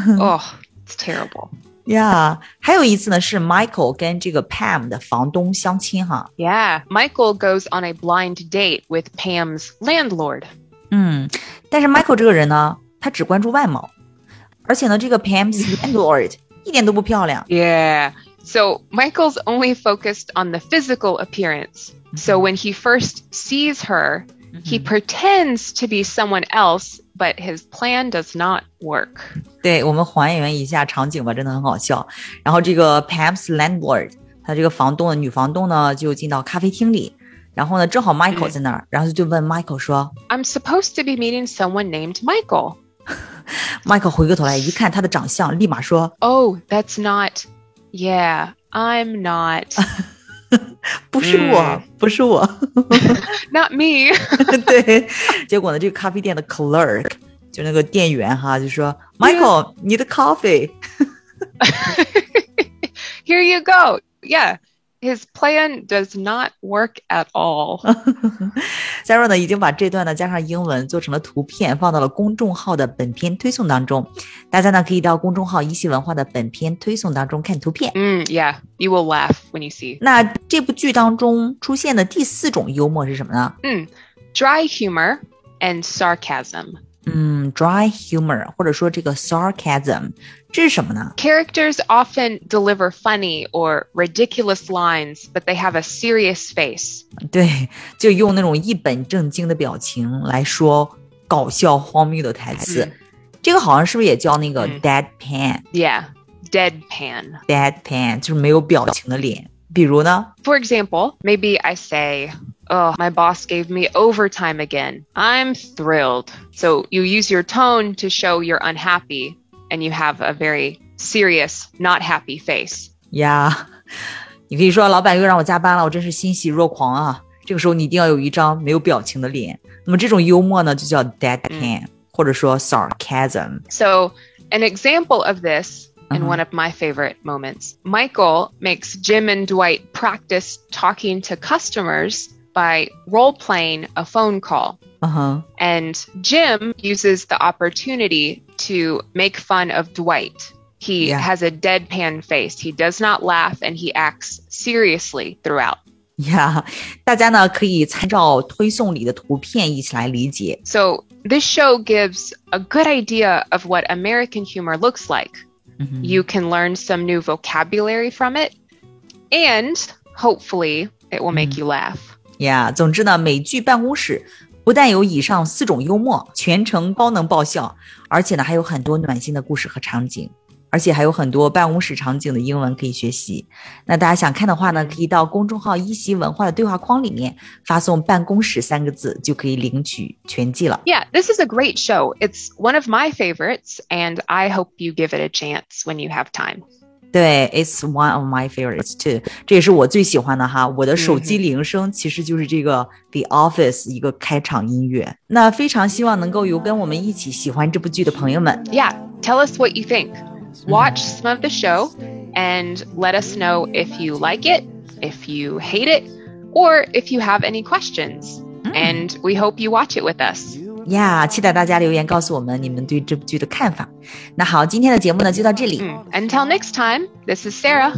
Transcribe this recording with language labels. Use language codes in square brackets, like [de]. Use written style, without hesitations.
[en] Oh, it's terrible. [zh] Yeah, 还有一次呢是 Michael 跟这个 Pam 的房东相亲哈。 [en] Yeah, Michael goes on a blind date with Pam's landlord. [zh] 但是 Michael 这个人呢，他只关注外貌，而且呢这个 [en] Pam's landlord [zh] 一点都不漂亮。 [en] Yeah. So Michael's only focused on the physical appearance. So when he first sees her, he pretends to be someone else, but his plan does not work. [zh] 对，我们还原一下场景吧，真的很好笑。然后这个 [en] Pam's landlord, [zh] 他这个房东的女房东呢，就进到咖啡厅里，然后呢，正好 Michael 在那儿，然后就问 Michael 说 [en] ，I'm supposed to be meeting someone named Michael. [zh] Michael 回过头来一看他的长相，立马说 [en] ，Oh, that's not. Yeah, I'm not. [zh] 不是我、不是我。 [en] Not me. [zh] 对，结果呢，这个咖啡店的 clerk, 就那个店员哈，就说 [en] Michael, need a coffee. Here you go. Yeah, his plan does not work at all. [zh] Sarah 呢，已经把这段呢加上英文做成了图片，放到了公众号的本篇推送当中。大家呢可以到公众号一席文化的本篇推送当中看图片。 [en] Yeah, you will laugh when you see. [zh] 那这部剧当中出现的第四种幽默是什么呢？ [en] Dry humor and sarcasm. [zh] Dry humor 或者说这个 sarcasm 这是什么呢 [en] ？Characters often deliver funny or ridiculous lines, but they have a serious face. [zh] 对，就用那种一本正经的表情来说搞笑荒谬的台词。这个好像是不是也叫那个 deadpan? [en] Yeah, deadpan. [zh] Deadpan, 就是没有表情的脸。比如呢 [en] ?For example, maybe I say, oh, my boss gave me overtime again. I'm thrilled. So you use your tone to show you're unhappy and you have a very serious, not happy face. [zh] Yeah, 你可以说老板又让我加班了我真是欣喜若狂啊。这个时候你一定要有一张没有表情的脸。那么这种幽默呢就叫 deadpan. 或者说 sarcasm. [en] So, an example of this in one of my favorite moments. Michael makes Jim and Dwight practice talking to customers by role-playing a phone call. And Jim uses the opportunity to make fun of Dwight. He has a deadpan face. He does not laugh and he acts seriously throughout. [zh] Yeah, 大家呢可以参照推送里的图片一起来理解。 [en] So,This show gives a good idea of what American humor looks like. You can learn some new vocabulary from it, and hopefully it will make you laugh. [zh] Yeah, 总之呢，美剧办公室不但有以上四种幽默，全程高能爆笑，而且呢还有很多暖心的故事和场景，而且还有很多办公室场景的英文可以学习。那大家想看的话呢，可以到公众号一席文化的对话框里面发送办公室三个字就可以领取全季了。 [en] Yeah, this is a great show. It's one of my favorites and I hope you give it a chance when you have time. [zh] 对 [en] it's one of my favorites too. [zh] 这也是我最喜欢的哈。我的手机铃声其实就是这个 The Office 一个开场音乐。那非常希望能够有跟我们一起喜欢这部剧的朋友们。 [en] Yeah, tell us what you think. Watch some of the show and let us know if you like it, if you hate it, or if you have any questions. And we hope you watch it with us. [zh] Yeah, 期待大家留言告诉我们你们对这部剧的看法。那好，今天的节目呢就到这里。 [en] Until next time, this is Sarah.